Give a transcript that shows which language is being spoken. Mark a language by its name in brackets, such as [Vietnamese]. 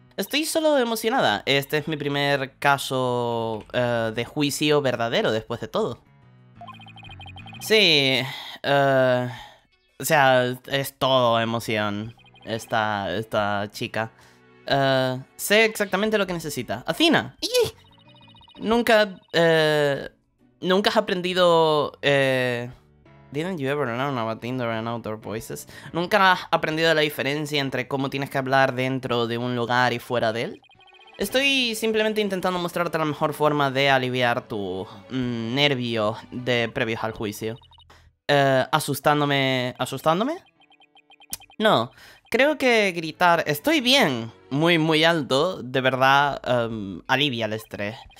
[Spanish] Estoy solo emocionada. Este es mi primer caso de juicio verdadero después de todo. Sí, o sea, es todo emoción esta chica. Sé exactamente lo que necesita. ¡Athena! ¡Ey! Nunca, nunca has aprendido, [English] Didn't you ever learn about indoor and outdoor voices? [Spanish] ¿Nunca has aprendido la diferencia entre cómo tienes que hablar dentro de un lugar y fuera de él? Estoy simplemente intentando mostrarte la mejor forma de aliviar tu nervio de previos al juicio. ¿Asustándome? No, creo que gritar "estoy bien" muy muy alto de verdad alivia el estrés.